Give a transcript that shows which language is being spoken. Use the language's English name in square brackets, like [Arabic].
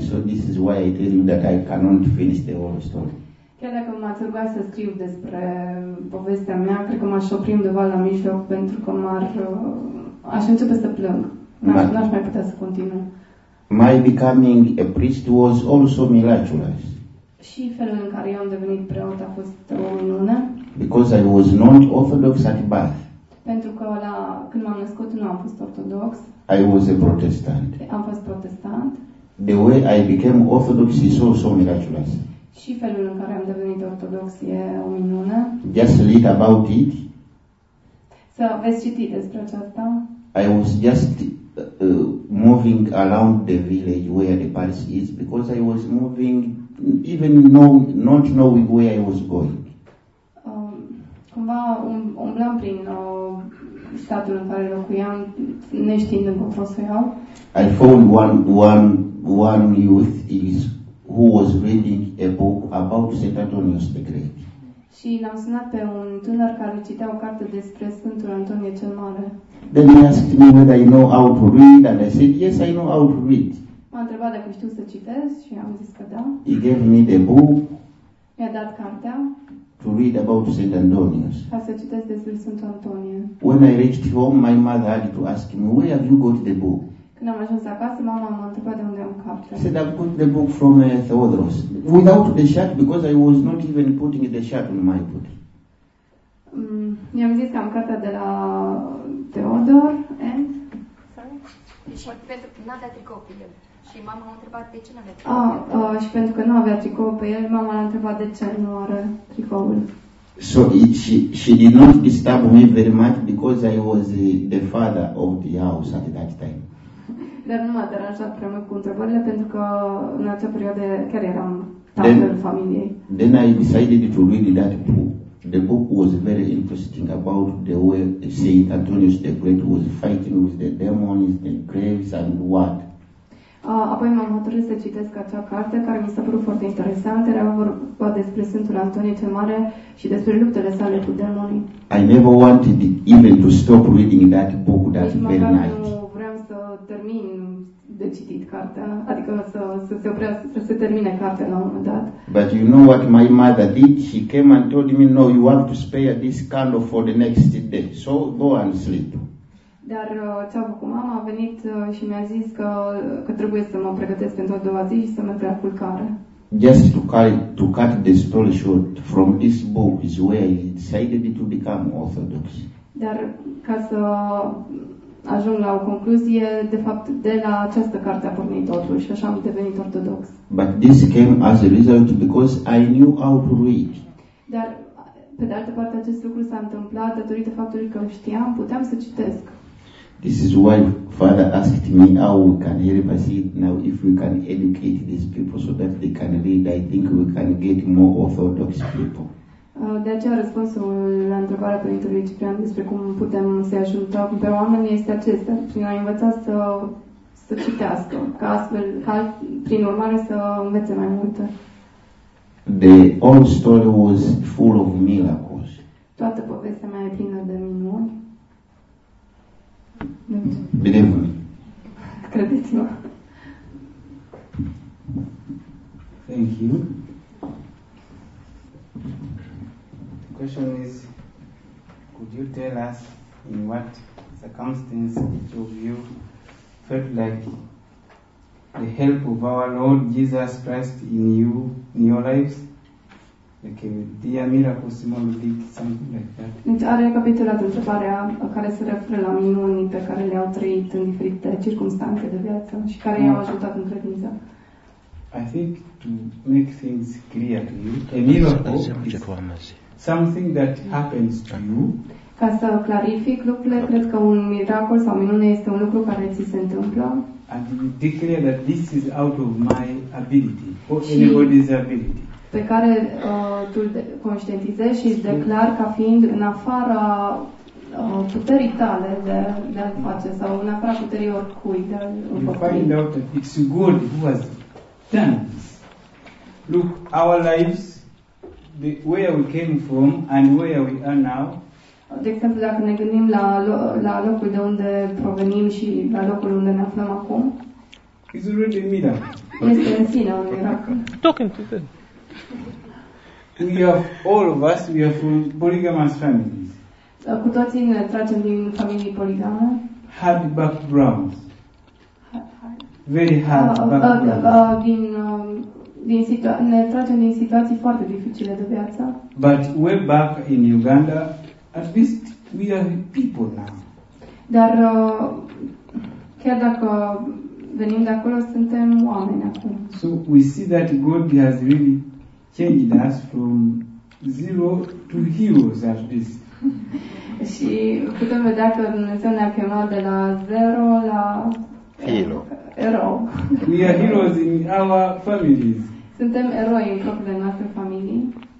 [English] So this is why I tell you that I cannot finish the whole story. [Romanian] Chiar dacă m-ați rugat să scriu despre povestea mea, cred că m-aș opri undeva la mijloc pentru că aș începe să plâng. N-aș mai putea să continu. [English] My becoming a priest was also miraculous. [Romanian] Și felul în care eu am devenit preot a fost o minune. [English] Because I was not orthodox at birth. [Romanian] Pentru că când m-am născut nu am fost ortodox. [English] I was a Protestant. [Romanian] Am fost protestant. [English] The way I became orthodox is also miraculous. [Romanian] Și felul în care am devenit ortodox e o minune. [English] Just read about it. [Romanian] Să veți citi despre aceasta. [English] I was just moving around the village where the parish is because I was moving even not knowing where I was going. [Romanian] Cumva umblam prin statul în care locuiam, neștiind încotro să iau. [English] I found one youth who was reading a book about St. Antonius the Great. [Romanian] Și l-am sunat pe un tânăr care citea o carte despre Sfântul Antonie cel Mare. [English] Then he asked me whether I know how to read and I said, yes, I know how to read. [Romanian] M-a întrebat dacă știu să citesc și am zis că da. [English] He gave me the book. [Romanian] Mi-a dat cartea. [English] to read about St. Antonius. [Romanian] Ca să citesc despre Sfântul Antonie. [English] When I reached home, my mother had to ask me, where have you got the book? [Romanian] Când am ajuns acasă, mama m-a întrebat de unde am cartea. [English] She said, I've got the book from Theodoros. Without the shirt, because I was not even putting the shirt on my body. [Romanian] I-am zis că am cartea de la Theodor, [English] and... [Romanian] Și pentru că nu avea tricou pe el, și mama l-a întrebat de ce nu avea tricou. Și pentru că nu avea tricou pe el, mama l-a întrebat de ce nu are tricoul. [English] So she did not disturb me very much because I was the father of the house at that time. [Romanian] Dar nu m-a deranjat prea mult cu întrebările pentru că în acea perioadă chiar eram tatăl familiei. [English] Then I decided to read that book. The book was very interesting about the way Saint Antonius the Great was fighting with the demons, the graves, and what. [Romanian] Apoi m-am hotărât să citesc acea carte care mi s-a părut foarte interesantă. Era vorba despre Sfântul Antonie cel Mare și despre luptele sale cu demonii. [English] I never wanted even to stop reading that book that very night. [Romanian] Nu vreau să termin de citit cartea, adică să se oprească, să se termine cartea la un moment dat. [English] But you know what my mother did? She came and told me, no, you have to spare this candle for the next day, so go and sleep. [Romanian] Dar ce-a făcut mama a venit și mi-a zis că trebuie să mă pregătesc pentru a doua zi și să merg la culcare. [English] Just to cut the story short, from this book is where I decided to become Orthodox. [Romanian] Dar ca să ajung la o concluzie, de fapt, de la această carte a pornit totul și așa am devenit ortodox. [English] But this came as a result because I knew how to read. [Romanian] Dar, pe de altă parte, acest lucru s-a întâmplat datorită faptului că știam, puteam să citesc. [English] This is why Father asked me how we can help us now if we can educate these people so that they can read. I think we can get more orthodox people. [Romanian] De aceea răspunsul la întrebarea Părintelui Ciprian despre cum putem să-i ajutăm pe oameni este acesta, prin a învăța să citească, ca astfel, ca prin urmare să învețe mai multe. [English] The old story was full of miracles. [Romanian] Toată povestea mea e plină de minuni. Bine-mi. Credeți-mă. [English] Thank you. The question is, could you tell us in what circumstance each of you felt like the help of our Lord Jesus Christ in your lives? Like a dear miracle, small deed, something like that. [Romanian] Deci are recapitulată întrebarea care se referă la minunii pe care le-au trăit în diferite circunstanțe de viață și care i-au ajutat în credință. [English] I think to make things clear to you, a miracle is something that happens to you. [Romanian] Ca să clarific lucrurile, cred că un miracol sau minune este un lucru care ți se întâmplă. [English] And you declare that this is out of my ability or anybody's ability. [Romanian] Pe care tu conștientizezi și declar ca fiind în afara puterii tale de a face sau în afara puterii oricui de a face. [English] You find out that it's God who has done this. Look, our lives, the where we came from and where we are now. [Romanian] De exemplu, dacă ne gândim la locul de unde provenim și la locul unde ne aflăm acum. [English] It's already a miracle. [Romanian] Este în sine un miracol. [English] Talking to them. We are all of us. We are from polygamous families. [Romanian] Cu toții ne tragem din familii poligame. [English] Hard backgrounds. Very hard backgrounds. [Romanian] Ne tragem din situații foarte dificile de viață. [English] But way back in Uganda, at least we are people now. [Romanian] Dar chiar dacă venim de acolo, suntem oameni acum. [English] So we see that God has really changed us from zero to heroes at least. [Romanian] Și putem vedea că Dumnezeu ne-a chemat de la zero la [English] hero. We are heroes in our families. [Romanian] Suntem eroi în propriile noastre familii.